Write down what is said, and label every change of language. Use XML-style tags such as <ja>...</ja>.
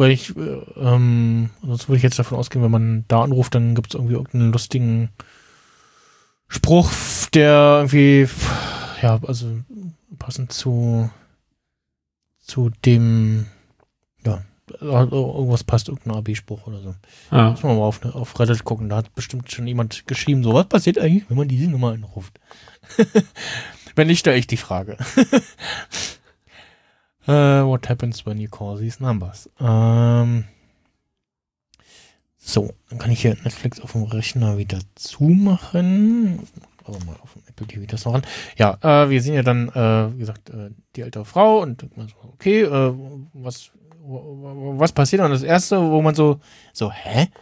<de>Ansonsten würde ich jetzt davon ausgehen, wenn man da anruft, dann gibt es irgendwie irgendeinen lustigen Spruch, der irgendwie, ja, also passend zu dem, ja, also irgendwas passt, irgendein AB-Spruch oder so. Ja. Müssen wir mal auf Reddit gucken, da hat bestimmt schon jemand geschrieben, so, was passiert eigentlich, wenn man diese Nummer anruft? Wenn nicht, stelle ich die Frage.</de> <en>what happens when you call these numbers?</en> <de>So, dann kann ich hier Netflix auf dem Rechner wieder zumachen. Aber mal auf dem Apple TV das noch an. Ja, wir sehen ja dann, wie gesagt, die ältere Frau und man so, okay, was passiert dann? Das erste, wo man so, hä?</de>